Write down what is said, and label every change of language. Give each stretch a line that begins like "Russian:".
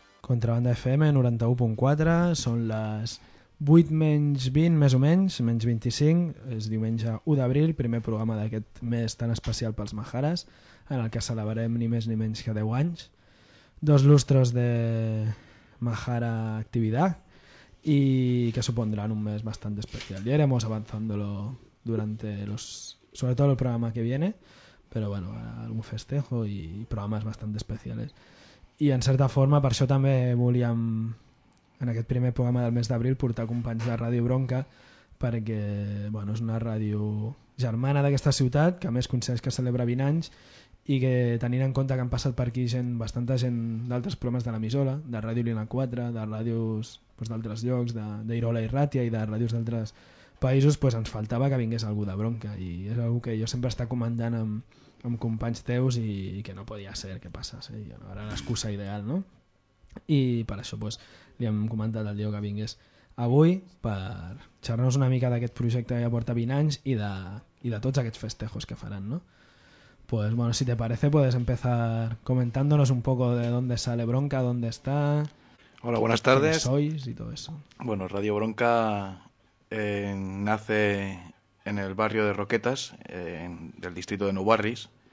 Catalan: Contrabanda FM 91.4, són les 8 menys 20, més o menys, menys 25, és diumenge 1 d'abril, primer programa d'aquest mes tan especial pels Majares, en el que celebrem ni més ni menys que 10 anys, dos lustres de Majara Actividad,
Spanish: y que supondrán un mes bastante especial. Ya iremos avanzándolo durante los, sobre todo el programa que viene, pero bueno, algún festejo y programas bastante especiales.
Catalan: I en certa forma, per això també volíem, en aquest primer programa del mes d'abril, portar companys de Ràdio Bronca, perquè bueno, és una ràdio germana d'aquesta ciutat, que a més coincideix que celebra 20 anys, i que tenint en compte que han passat per aquí gent, bastanta gent d'altres programes de l'emissora, de Ràdio Lina 4, de ràdios pues, d'altres llocs, d'Irola i Ràtia i de ràdios d'altres països, pues, ens faltava que vingués algú de Bronca. I és una cosa que jo sempre estic comentant amb companys teus i que no podia ser que passés, eh? No era l'excusa ideal, no? I per això pues, li hem comentat al Diego que vingués avui per xerrar-nos una mica d'aquest projecte que ja porta 20 anys i de tots aquests festejos que faran, no?
Spanish: Pues bueno, si te parece puedes empezar comentándonos un poco de dónde sale Bronca, dónde está... Hola, buenas tardes. ¿Quién sois y todo eso? Bueno, Radio Bronca nace en el barrio de Roquetas, del distrito de Nubarris.